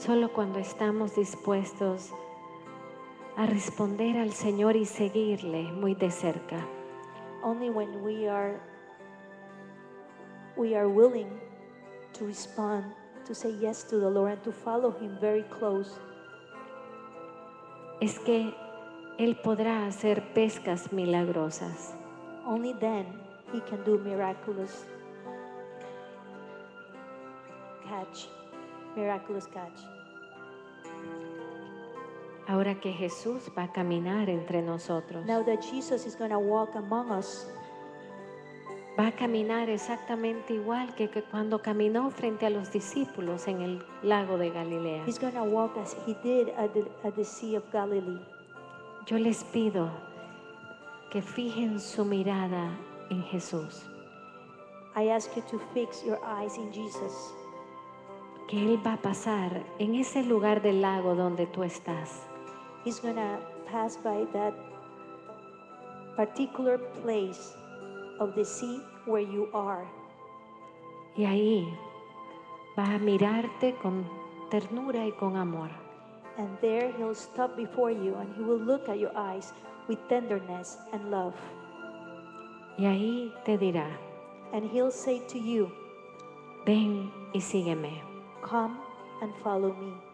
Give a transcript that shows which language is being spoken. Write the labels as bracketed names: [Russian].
[Spanish] Solo cuando estamos dispuestos a responder al Señor y seguirle muy de cerca. [English] Only when we are willing to respond, to say yes to the Lord and to follow him very close. [Spanish] Es que él podrá hacer pescas milagrosas. [English] Only then he can do miraculous catch. Miraculous catch. [Spanish] Ahora que Jesús va a caminar entre nosotros. [English] Now that Jesus is going to walk among us. [Spanish] Va a caminar exactamente igual que cuando caminó frente a los discípulos en el lago de Galilea. [English] He's going to walk as he did at the Sea of Galilee. [Spanish] Yo les pido que fijen su mirada en Jesús. [English] I ask you to fix your eyes in Jesus. [Spanish] Que él va a pasar en ese lugar del lago donde tú estás. [English] He's going to pass by that particular place of the sea where you are. [Spanish] Y ahí va a mirarte con ternura y con amor. [English] And there he'll stop before you and he will look at your eyes with tenderness and love. [Spanish] Y ahí te dirá. [English] And he'll say to you, [Spanish] ven y sígueme. [English] Come and follow me.